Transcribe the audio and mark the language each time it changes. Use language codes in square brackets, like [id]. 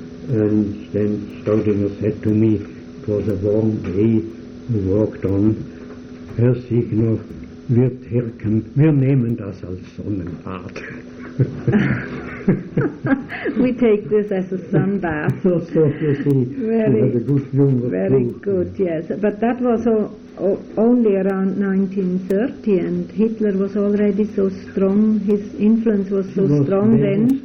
[en] And then Staudinger said to me, it was a warm day, Walked on. [de] Herr Signor, wir Türken, wir nehmen das als Sonnenbad. [en] We take this as a sun bath. So, so, you see, very, she had a good humor. Very good, yes. But that was only around 1930, and Hitler was already so strong, his influence was so strong then.